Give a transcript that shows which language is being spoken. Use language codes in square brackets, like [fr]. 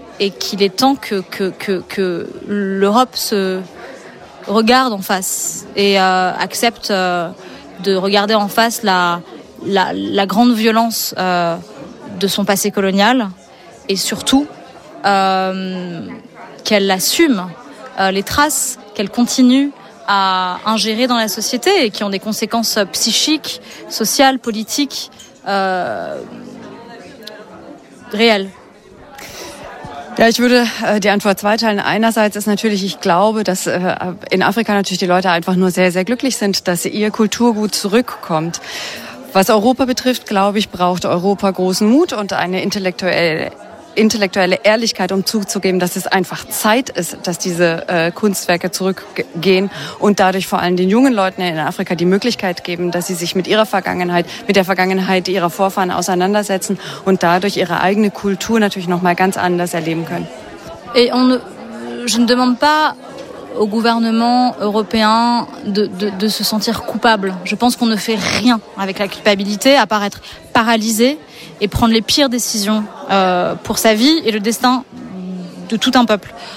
[fr] qu'il est temps que l'Europe se regarde en face et accepte de regarder en face la grande violence de son passé colonial, et surtout qu'elle assume les traces, qu'elle continue à ingérer dans la société et qui ont des conséquences psychiques, sociales, politiques, réelles. [de] Ja, ich würde die Antwort zweiteilen. Einerseits ist natürlich, ich glaube, dass in Afrika natürlich die Leute einfach nur sehr, sehr glücklich sind, dass ihr Kulturgut zurückkommt. Was Europa betrifft, glaube ich, braucht Europa großen Mut und eine intellektuelle Ehrlichkeit, um zuzugeben, dass es einfach Zeit ist, dass diese Kunstwerke zurückgehen und dadurch vor allem den jungen Leuten in Afrika die Möglichkeit geben, dass sie sich mit ihrer Vergangenheit, mit der Vergangenheit ihrer Vorfahren auseinandersetzen und dadurch ihre eigene Kultur natürlich noch mal ganz anders erleben können. [fr] Et on ne, je ne demande pas au gouvernement européen de se sentir coupable. Je pense qu'on ne fait rien avec la culpabilité à part être paralysé et prendre les pires décisions pour sa vie et le destin de tout un peuple.